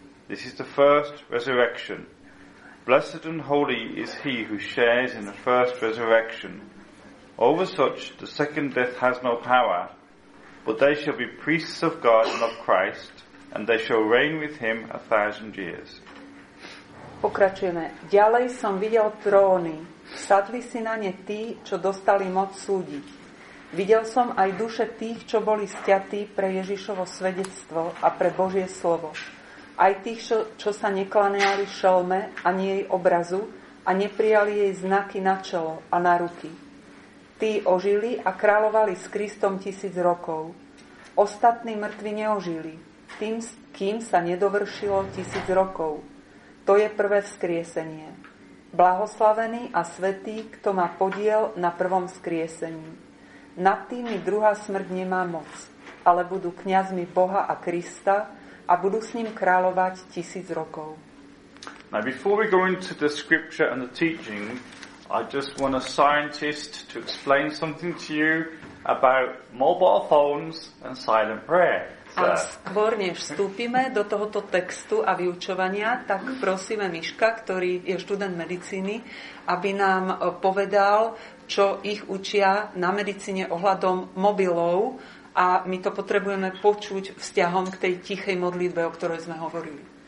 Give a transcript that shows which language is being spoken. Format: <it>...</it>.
<en>This is the first resurrection. Blessed and holy is he who shares in the first resurrection. Over such, the second death has no power. But they shall be priests of God and of Christ, and they shall reign with him 1,000 years.</en> <sk>Pokračujeme. Ďalej som videl tróny. Sadli si na ne tí, čo dostali moc súdiť. Videl som aj duše tých, čo boli sťatí pre Ježišovo svedectvo a pre Božie slovo. Aj tých, čo sa neklaniali šelme ani jej obrazu a neprijali jej znaky na čelo a na ruky. Tí ožili a kráľovali s Kristom 1,000 rokov. Ostatní mŕtvi neožili, tým, kým sa nedovršilo 1,000 rokov. to je prvé vzkriesenie. Blahoslavený a svätý, kto má podiel na prvom vzkriesení. Nad tými druhá smrť nemá moc, ale budú kňazmi Boha a Krista a budú s ním kráľovať 1000 rokov.</sk> <en>Now before we go into the scripture and the teaching, I just want a scientist to explain something to you about mobile phones and silent prayer.</en> <sk>A skôr než vstúpime do tohoto textu a vyučovania, tak prosíme Miška, ktorý je študent medicíny, aby nám povedal, čo ich učia na medicíne ohľadom mobilov, a my to potrebujeme počuť vzťahom k tej tichej modlitbe, o ktorej sme hovorili.</sk>